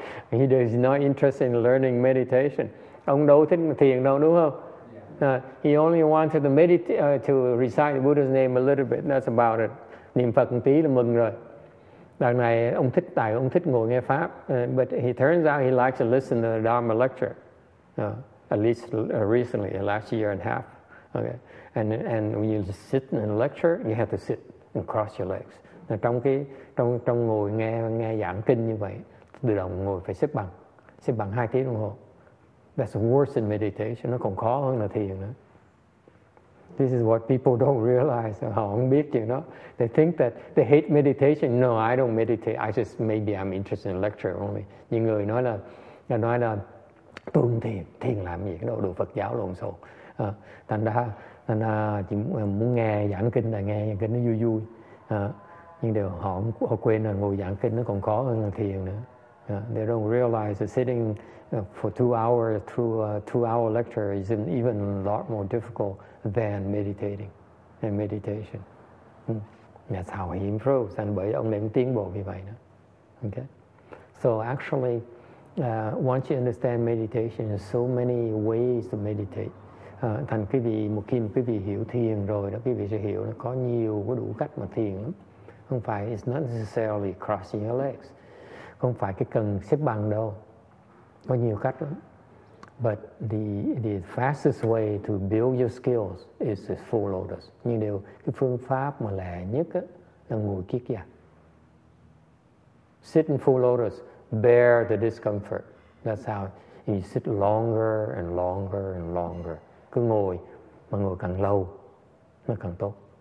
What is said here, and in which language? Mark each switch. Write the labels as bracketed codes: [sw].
[en] He is not interested in learning meditation. [vi] Ông đâu thích thiền đâu đúng không? [en] He only wanted to to recite the Buddha's name a little bit. That's about it. [vi] Niệm Phật một tí là mừng rồi. Đằng này ông thích tại ông thích ngồi nghe pháp. [en] But he turns out he likes to listen to the Dharma lecture. At least recently, last year and a half. Okay. And when you sit in a lecture, you have to sit and cross your legs. [vi] Trong ngồi nghe giảng kinh như vậy, tự động ngồi phải xếp bằng 2 tiếng đồng hồ. [en] That's worse than meditation. [vi] Nó còn khó hơn là thiền nữa. [en] This is what people don't realize. [vi] Họ không biết, [en] you know. They think that they hate meditation. No, I don't meditate. Maybe I'm interested in lecture only. [vi] Những người nói là tôi không thiền. Thiền làm gì? Cái đồ Phật giáo lộn xộn. Thành ra chỉ muốn nghe giảng kinh là nghe giảng kinh nó vui vui. Nhưng điều họ quên là ngồi giảng kinh nó còn khó hơn là thiền nữa. [en] They don't realize that sitting for 2 hours through a 2-hour lecture is even a lot more difficult than meditation. That's how he improves, and [vi] bởi ông nên tiến bộ như vậy nữa. Okay. [en] So actually, once you understand meditation, there's so many ways to meditate. [vi] Thành quý vị, một khi quý vị hiểu thiền rồi đó, quý vị sẽ hiểu nó có nhiều, có đủ cách mà thiền lắm. Không phải, [en] it's not necessarily crossing your legs. [vi] Không phải cái cần xếp bằng đâu. Có nhiều cách lắm. [en] But the fastest way to build your skills is the Four Lotus. [vi] Nhưng điều cái phương pháp mà lẹ nhất á, là ngồi kiết giả. [en] Sit in Four Lotus, bear the discomfort. That's how you sit longer and longer and longer. [vi] Cứ ngồi, mà ngồi càng lâu, nó càng tốt.